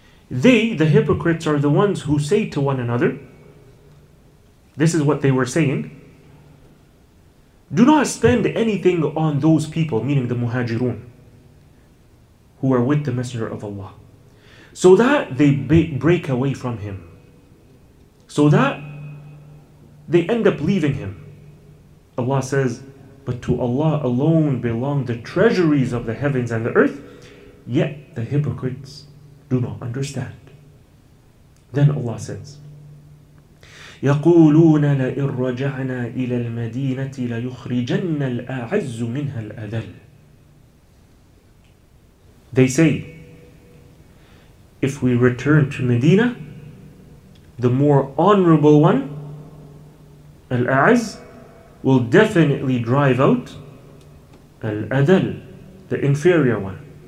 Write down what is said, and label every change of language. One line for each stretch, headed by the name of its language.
English: They, the hypocrites, are the ones who say to one another, this is what they were saying, do not spend anything on those people, meaning the muhajirun, who are with the Messenger of Allah, so that they break away from him, so that they end up leaving him. Allah says, but to Allah alone belong the treasuries of the heavens and the earth, yet the hypocrites do not understand. Then Allah says,
Arabic: يقولون لئن رجعنا إلى المدينة ليخرجن الأعز منها الأذل.
English: They say, if we return to Medina, the more honorable one, Al-A'az, will definitely drive out Al-Adhal, the inferior one.